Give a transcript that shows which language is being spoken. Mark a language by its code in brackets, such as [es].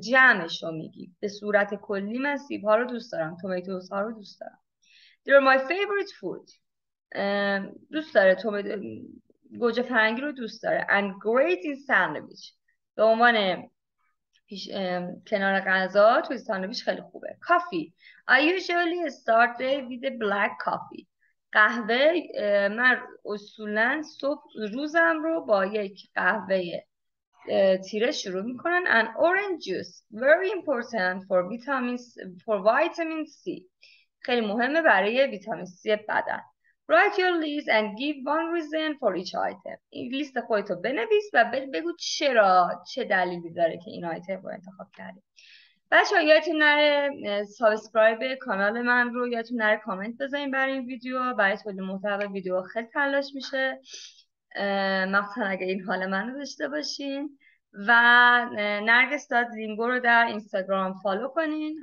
[fa] جمعش رو میگی. به صورت کلی من سیب ها رو دوست دارم، tomatoes ها رو دوست دارم. [en] They are my favorite food. [fa] دوست داره گوجه فرنگی رو دوست داره. [en] And great in sandwich. [fa] به عنوان کنار غذا توی ساندویچ خیلی خوبه. [en] Coffee. I usually start day with a black coffee. [fa] قهوه. من اصولا صبح روزم رو با یک قهوه تیره شروع میکنن. [en] And orange juice. Very important for vitamin C. [fa] خیلی مهمه برای ویتامین C بدن. [en] Write your list and give one reason for each item. [fa] این لیست خودتو بنویس و بگو چرا، چه دلیلی داره که این آیتم رو انتخاب کردی. بچه ها یادتون نره سابسکرایب کانال من رو، یادتون نره کامنت بذارین برای این ویدیو، برای تولید محتوای ویدیو خیلی تلاش میشه. مخصوصا اگه این حال من رو داشته باشین. و نرگس.لینگو رو در اینستاگرام فالو کنین.